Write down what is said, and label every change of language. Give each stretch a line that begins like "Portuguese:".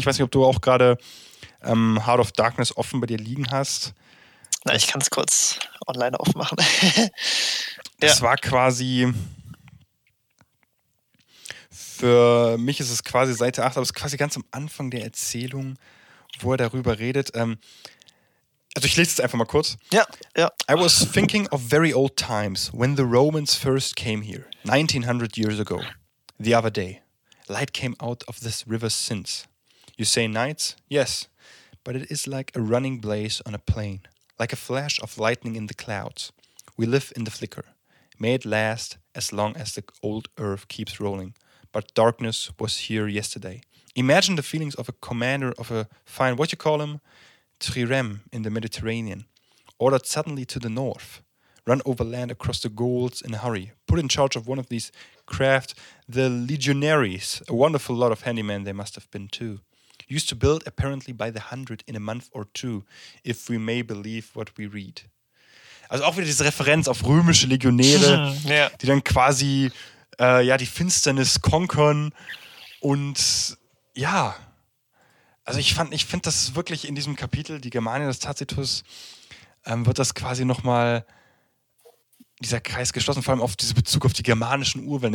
German: Ich weiß nicht, ob du auch gerade Heart of Darkness offen bei dir liegen hast. Na, ich kann es kurz online aufmachen. Das war quasi, für mich ist es quasi Seite 8, aber es ist quasi ganz am Anfang der Erzählung, wo er darüber redet. Also ich lese es einfach mal kurz. Ja, ja.
English: I was thinking of very old times, when the Romans first came here, 1900 years ago, the other day. Light came out of this river since. You say nights? Yes. But it is like a running blaze on a plain, like a flash of lightning in the clouds. We live in the flicker. May it last as long as the old earth keeps rolling. But darkness was here yesterday. Imagine the feelings of a commander of a fine, what you call him? Trirem in the Mediterranean. Ordered suddenly to the north. Run over land across the Gauls in a hurry. Put in charge of one of these craft, the legionaries. A wonderful lot of handymen they must have been too. Used to build apparently by the 100 in a month or two, if we may believe what we read.
German: Also auch wieder diese Referenz auf römische Legionäre, die dann quasi die Finsternis conquern. Und ja, also ich find das wirklich in diesem Kapitel, die Germania des Tacitus, wird das quasi nochmal dieser Kreis geschlossen, vor allem auf diesen Bezug auf die germanischen Urwellen.